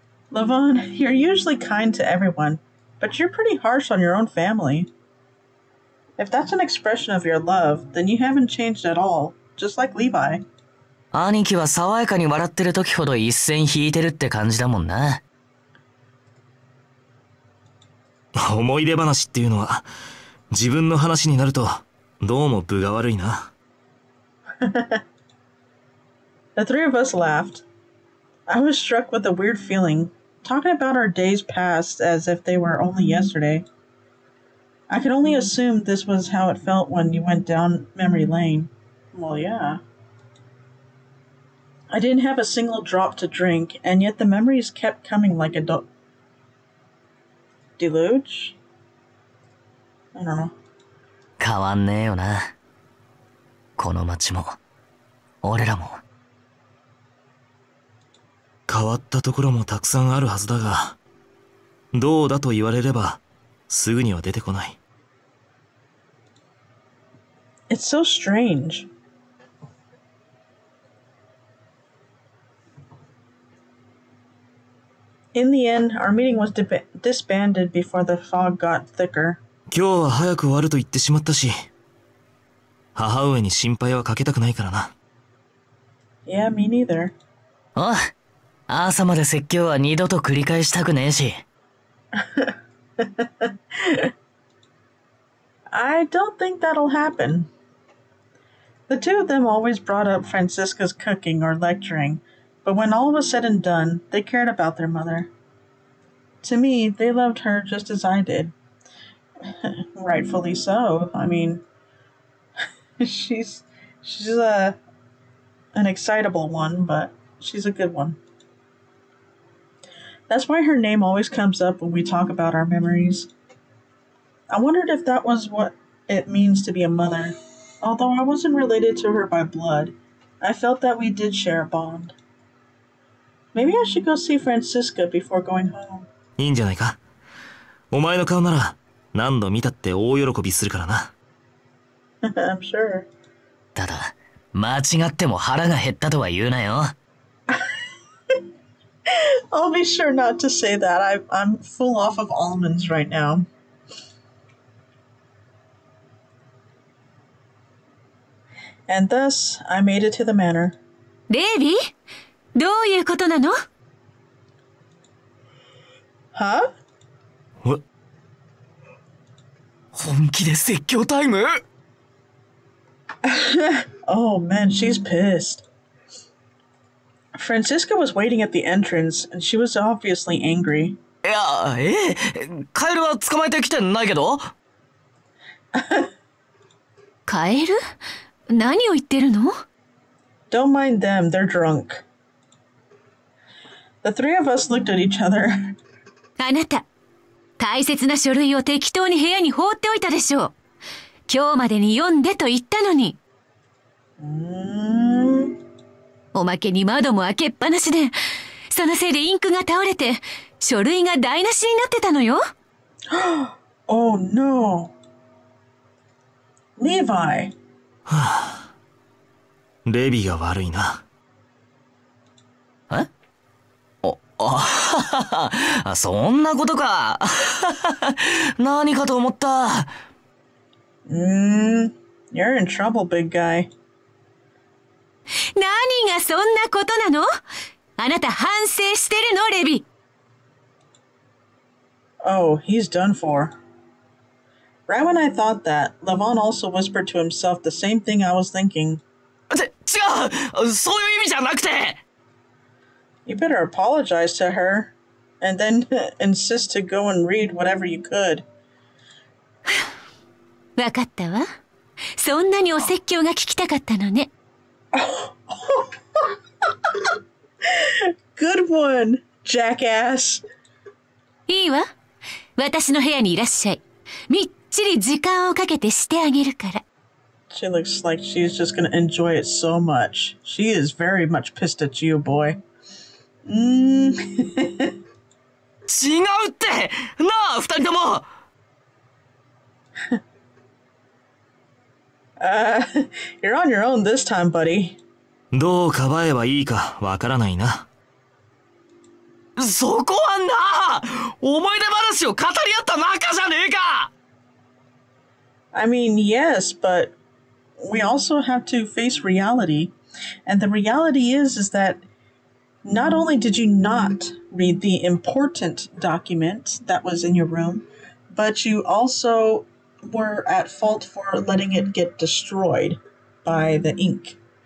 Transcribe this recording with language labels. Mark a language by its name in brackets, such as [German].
[English] Lavan, you're usually kind to everyone, but you're pretty harsh on your own family. If that's an expression of your love, then you haven't changed at all, just like Levi. [Japanese] 兄貴は爽やかに笑ってる時ほど一線引いてるって感じだもんな。思い出話っていうのは、自分の話になると、どうも分が悪いな。 [English] The three of us laughed. I was struck with a weird feeling, talking about our days past as if they were only yesterday. I could only assume this was how it felt when you went down memory lane. Well, yeah. I didn't have a single drop to drink, and yet the memories kept coming like a deluge? I don't know. [Japanese] 変わんねえよな。この町も、俺らも。変わったところもたくさんあるはずだが、どうだと言われれば、すぐには出てこない。 [English] It's so strange. In the end, our meeting was disbanded before the fog got thicker. [Japanese] 今日は早く終わると言ってしまったし、母上に心配はかけたくないからな。 [English] Yeah, me neither. [Japanese] あ、朝まで説教は二度と繰り返したくねえし。 [English] I don't think that'll happen. The two of them always brought up Francisca's cooking or lecturing, but when all was said and done, they cared about their mother. To me, they loved her just as I did. Rightfully so. I mean, she's an excitable one, but she's a good one. That's why her name always comes up when we talk about our memories. I wondered if that was what it means to be a mother. Although I wasn't related to her by blood, I felt that we did share a bond. Maybe I should go see Francisca before going home. [Japanese] いいんじゃないか。お前の顔なら何度見たって大喜びするからな。 [English] I'm sure. [Japanese] ただ、間違っても腹が減ったとは言うなよ。 [English] I'll be sure not to say that. I'm full off of almonds right now. And thus, I made it to the manor. [Japanese] Levi? どういうことなの? [English] Huh? What? [Japanese] 本気で説教タイム? [English] Oh man, she's pissed. Francisca was waiting at the entrance, and she was obviously angry. [Japanese] いや、カエルは捕まえてきてないけど。カエル？何を言ってるの？ [English] Don't mind them, they're drunk. The three of us looked at each other. [Japanese] あなた、大切な書類を適当に部屋に放っておいたでしょう。今日までに読んでと言ったのに。おまけに窓も開けっぱなしで、そのせいでインクが倒れて書類が台無しになってたのよ。 [English] Oh no. Levi. [Japanese] はあ、レビが悪いな。あ、そんなことか。何かと思った。 [English] You're in trouble, big guy. [Japanese] 何がそんなことなの？あなた反省してるの、レビ？ [English] Oh, he's done for. Right when I thought that, Lavan also whispered to himself the same thing I was thinking. [Japanese] 違う！そういう意味じゃなくて！ [English] You better apologize to her, and then insist to go and read whatever you could. [Japanese] わかったわ。そんなにお説教が聞きたかったのね。 [English] Good one, jackass. [Japanese] いいわ。私の部屋にいらっしゃい。みっちり時間をかけてしてあげるから。 [English] She looks like she's just gonna enjoy it so much. She is very much pissed at you, boy. [Japanese] 違うってなあ、二人とも。 [English] You're on your own this time, buddy. [Japanese] どうかばえばいいかわからないな。そこはな、思い出話を語り合った仲じゃねえか。 [English] I mean, yes, but we also have to face reality. And the reality is thatNot only did you not read the important document that was in your room, but you also were at fault for letting it get destroyed by the ink.